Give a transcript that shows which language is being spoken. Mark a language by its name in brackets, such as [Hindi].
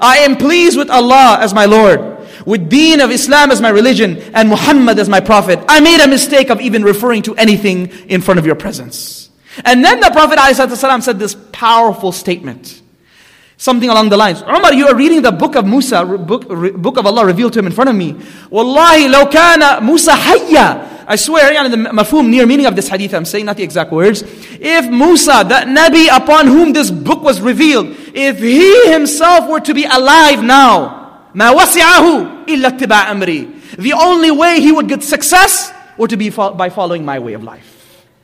[English] I am pleased with Allah as my Lord, with deen of Islam as my religion, and Muhammad as my prophet. I made a mistake of even referring to anything in front of your presence. And then the Prophet ﷺ said this powerful statement. Something along the lines, Umar, you are reading the book of Musa, book of Allah revealed to him in front of me. [Arabic] Wallahi, لو كان موسى حيا. [English] I swear, yani the mafhum, near meaning of this hadith, I'm saying not the exact words. If Musa, that Nabi upon whom this book was revealed, if he himself were to be alive now, [Arabic] ما وسعه إلا اتباع أمري. [English] The only way he would get success were to be by following my way of life.